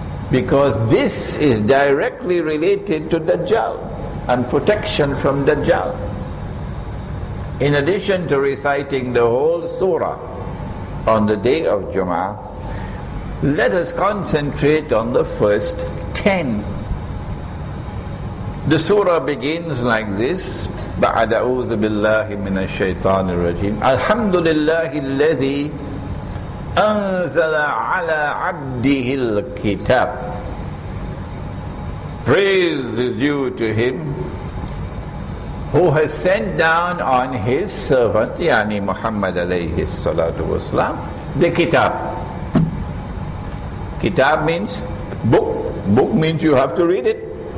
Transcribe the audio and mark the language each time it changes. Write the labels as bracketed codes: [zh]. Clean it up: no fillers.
[en] Because this is directly related to Dajjal and protection from Dajjal. In addition to reciting the whole surah on the day of Jummah, let us concentrate on the first 10. The surah begins like this: [ar] بعد أعوذ بالله من الشيطان الرجيم الحمد لله الذي أنزل على عبده الكتاب. [en] Praise is due to him who has sent down on his servant, yani Muhammad alayhi salatu wasalam, the kitab. Kitab means book. Book means you have to read it.